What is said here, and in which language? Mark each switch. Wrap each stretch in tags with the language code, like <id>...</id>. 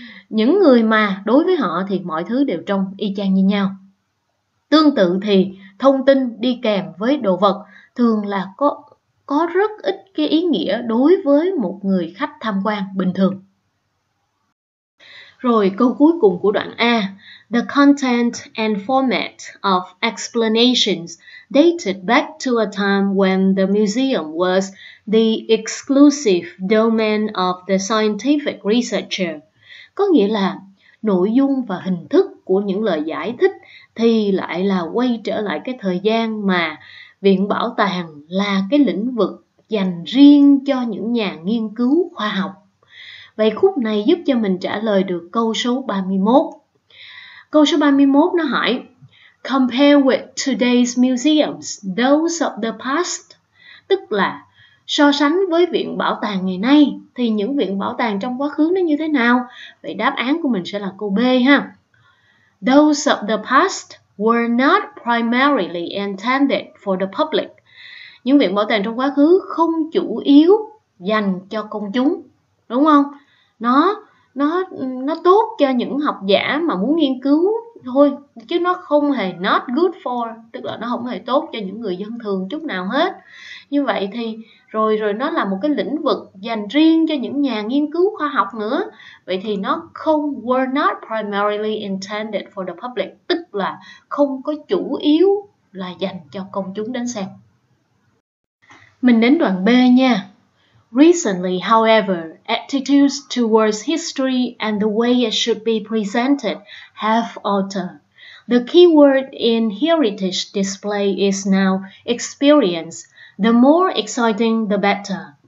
<vi>Những người mà đối với họ thì mọi thứ đều trông y chang như nhau. Tương tự thì thông tin đi kèm với đồ vật thường là có rất ít cái ý nghĩa đối với một người khách tham quan bình thường. Rồi câu cuối cùng của đoạn A.</vi> <en>The content and format of explanations dated back to a time when the museum was the exclusive domain of the scientific researcher.</en> <vi>Có nghĩa là nội dung và hình thức của những lời giải thích thì lại là quay trở lại cái thời gian mà viện bảo tàng là cái lĩnh vực dành riêng cho những nhà nghiên cứu khoa học. Vậy khúc này giúp cho mình trả lời được câu số 31. Câu số 31 nó hỏi,</vi> <en>compare with today's museums, those of the past.</en> <vi>Tức là, so sánh với viện bảo tàng ngày nay, thì những viện bảo tàng trong quá khứ nó như thế nào? Vậy đáp án của mình sẽ là câu B ha.</vi> <en>Those of the past were not primarily intended for the public.</en> <vi>Những viện bảo tàng trong quá khứ không chủ yếu dành cho công chúng, đúng không? Nó tốt cho những học giả mà muốn nghiên cứu thôi, chứ nó không hề</vi> <en>not good for,</en> <vi>tức là nó không hề tốt cho những người dân thường chút nào hết. Như vậy thì rồi nó là một cái lĩnh vực dành riêng cho những nhà nghiên cứu khoa học nữa. Vậy thì nó không</vi> <en>were not primarily intended for the public,</en> <vi>tức là không có chủ yếu là dành cho công chúng đến xem. Mình đến đoạn B nha.</vi> <en>Recently, however, attitudes towards history and the way it should be presented have altered. The key word in heritage display is now experience. The more exciting, the better.</en>